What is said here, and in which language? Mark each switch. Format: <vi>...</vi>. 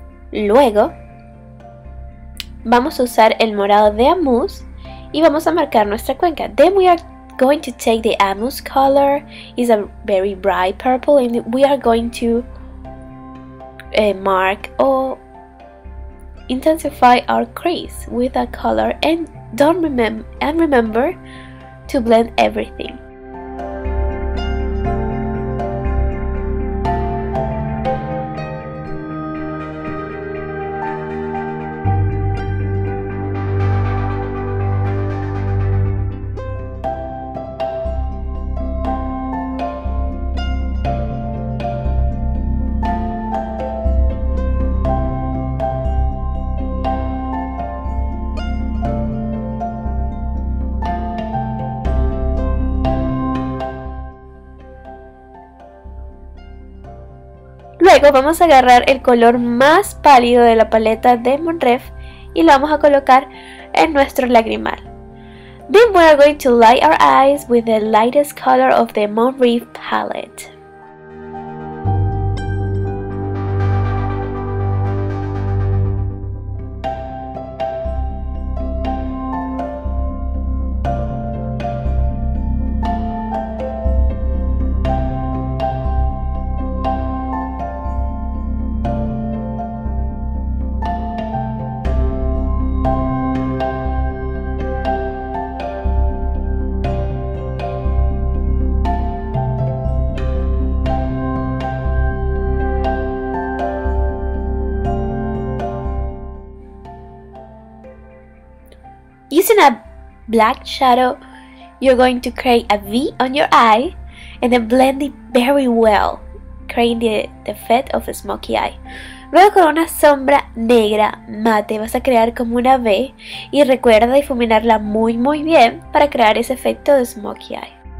<es>Luego, vamos a usar el morado de Amuz y vamos a marcar nuestra cuenca.</es> <en>Then we are going to take the Amuz color, it's a very bright purple, and we are going to mark or intensify our crease with a color, and remember to blend everything.</en> <es>Luego vamos a agarrar el color más pálido de la paleta de Monref y lo vamos a colocar en nuestro lagrimal.</es> <en>Then we are going to light our eyes with the lightest color of the Monref palette. Thank you. using a black shadow, you're going to create a V on your eye and then blend it very well, creating the effect of a smoky eye.</en> <es>Luego con una sombra negra mate vas a crear como una V y recuerda difuminarla muy muy bien para crear ese efecto de smoky eye.</es>